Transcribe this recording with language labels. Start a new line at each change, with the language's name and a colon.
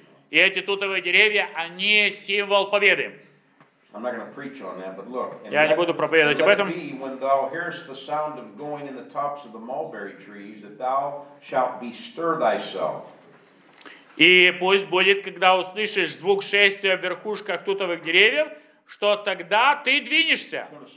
Russian: И эти тутовые деревья, они символ победы. Я не буду проповедовать об этом.
English: When thou hearest the sound of going in the tops of the mulberry trees, that thou shalt bestir thyself.
Russian: И пусть будет, когда услышишь звук шествия в верхушках тутовых деревьев, что тогда ты двинешься.